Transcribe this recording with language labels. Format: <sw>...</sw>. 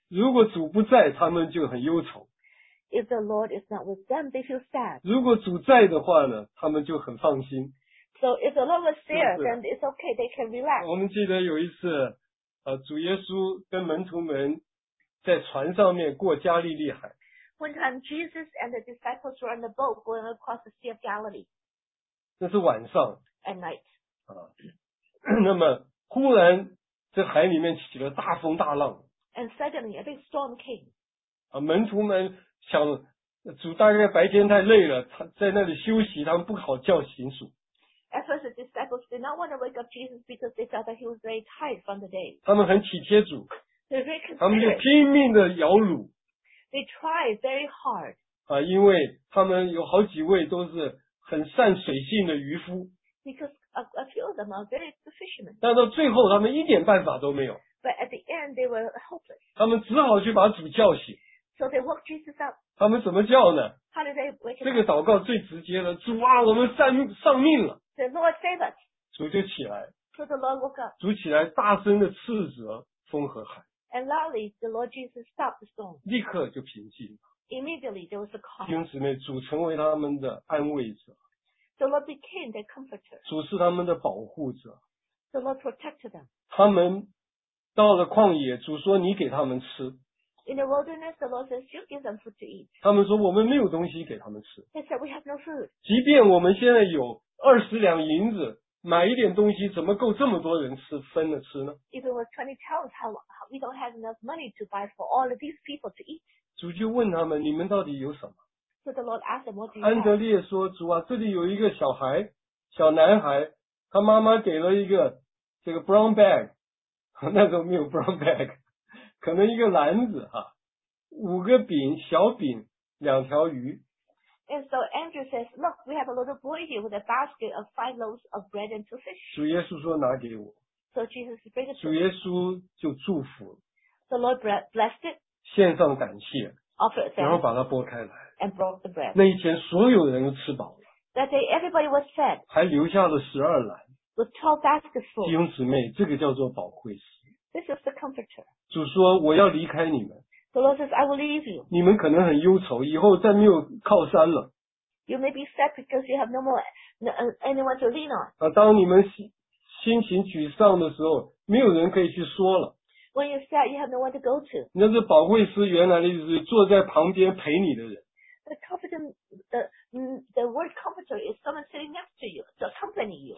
<zh>如果主不在，他们就很忧愁。</zh> <en>If the Lord is not with them, they feel sad.</en> <zh>如果主在的话呢，他们就很放心。</zh> <en>So if the Lord was there, then it's okay, they can relax.</en> <zh>我们记得有一次，主耶稣跟门徒们在船上面过加利利海。</zh> <en>One time, Jesus and the disciples were on the boat going across the Sea of Galilee.</en> <zh>那是晚上。</zh> <en>At night.</en> <zh>那么忽然这海里面起了大风大浪。</zh> <en>And suddenly, a big storm came.</en> <zh>门徒们想，主大概白天太累了，他在那里休息，他们不好叫醒主。</zh> <en>At first, the disciples did not want to wake up Jesus because they felt that he was very tired from the day.</en> <zh>他们很体贴主。他们就拼命的摇橹。</zh> <en>They tried very hard.</en> <zh>因为他们有好几位都是很善水性的渔夫。</zh> <en>Because a few of them are very good fishermen.</en> <zh>但到最后他们一点办法都没有。</zh> <en>But at the end, they were hopeless.</en> <zh>他们只好去把主叫醒。</zh> <en>So they woke Jesus up.</en> <zh>他们怎么叫呢？</zh> <en>How did they wake up?</en> <zh>这个祷告最直接了，主啊，我们丧命了。</zh> <en>The Lord save us.</en> <zh>主就起来。</zh> <en>So the Lord woke up.</en> <zh>主起来大声的斥责风和海。</zh> <en>And loudly, the Lord Jesus stopped the storm.</en> <zh>立刻就平静。</zh> <en>Immediately, there was a calm.</en> <zh>弟兄姊妹，主成为他们的安慰者。</zh> <en>The Lord became their comforter.</en> <zh>主是他们的保护者。</zh> <en>The Lord protected them.</en> <zh>他们到了旷野，主说你给他们吃。</zh> <en>In the wilderness, the Lord says, "You give them food to eat."</en> <zh>他们说我们没有东西给他们吃。</zh> <en>They said, "We have no food."</en> <zh>即便我们现在有20两银子。买一点东西怎么够这么多人吃分了吃呢？</zh> <en>If it was 20 talents, we don't have enough money to buy for all of these people to eat.</en> <zh>主就问他们，你们到底有什么？</zh> <en>So the Lord asked them, what do you have?</en> <zh>安德烈说，主啊，这里有一个小孩，小男孩，他妈妈给了一个这个 brown bag， 那时候没有 brown bag， 可能一个篮子哈，5个饼，小饼，2条鱼。</zh> <en>And so Andrew says, look, we have a little boy here with a basket of 5 loaves of bread and 2 fish.</en> <zh>主耶稣说拿给我。</zh> <en>So Jesus bring it to him.</en> <zh>主耶稣就祝福。</zh> <en>The Lord blessed it.</en> <zh>献上感谢。</zh> <en>Offer it.</en> <zh>然后把它拨开来。</zh> <en>And broke the bread.</en> <zh>那一天所有人都吃饱了。</zh> <en>That day everybody was fed.</en> <zh>还留下了12篮。</zh> <en>With 12 baskets full.</en> <zh>弟兄姊妹，这个叫做保惠师。</zh> <en>This is the comforter.</en> <zh>主说我要离开你们。</zh> <en>The Lord says, "I will leave you."</en> <zh>你们可能很忧愁，以后再没有靠山了。</zh> <en>You may be sad because you have no more anyone to lean on.</en> <zh>当你们心情沮丧的时候，没有人可以去说了。</zh> <en>When you're sad, you have no one to go to.</en> <zh>那是保惠师原来的意思，坐在旁边陪你的人。</zh> <en>The comforter, the word comforter is someone sitting next to you to accompany you.</en>